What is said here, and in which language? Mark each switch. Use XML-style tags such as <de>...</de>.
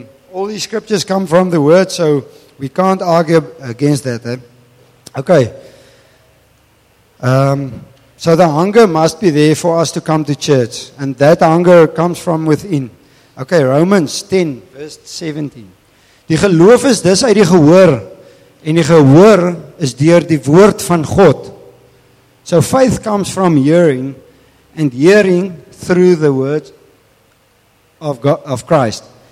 <en>All these scriptures come from the Word, so we can't argue against that. Okay. So the hunger must be there for us to come to church, and that hunger comes from within. Okay, Romans 10, verse 17.</en> <af>Die geloof is dus uit die gehoor, en die gehoor is deur die woord van God.</af> <en>So faith comes from hearing, and hearing through the word of God, of Christ.</en>